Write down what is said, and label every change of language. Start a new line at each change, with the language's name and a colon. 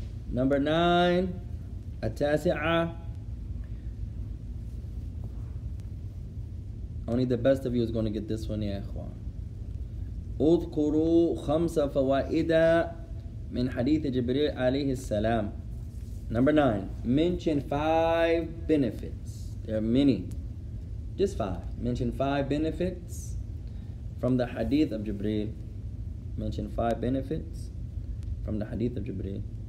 English: Number 9,
Arabic: التاسعة.
English: Only the best of you is going to get this one,
Arabic: يا إخوان. اذكروا خمسة فوائد من حديث جبريل عليه السلام.
English: Number 9, mention 5 benefits. There are many. Just 5. Mention 5 benefits from the hadith of Jibreel. Mention 5 benefits from the hadith of Jibreel.